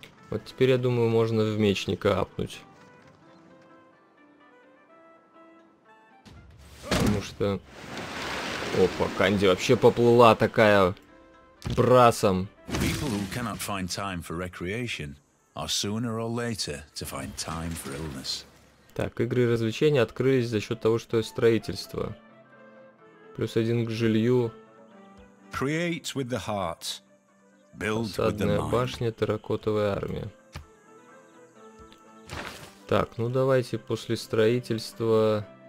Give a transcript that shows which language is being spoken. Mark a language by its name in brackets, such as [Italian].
[Russian] Вот теперь, я думаю, можно в мечника апнуть. Что... Опа, Канди вообще поплыла такая брасом. [English] People who cannot find time for recreation are sooner or later to find time for illness. [Russian] Так, игры развлечения открылись за счет того, что строительство. Плюс один к жилью. [English] Create with the heart. Build with the mind. [Russian] Осадная башня, терракотовая армия. Так, ну давайте после строительства.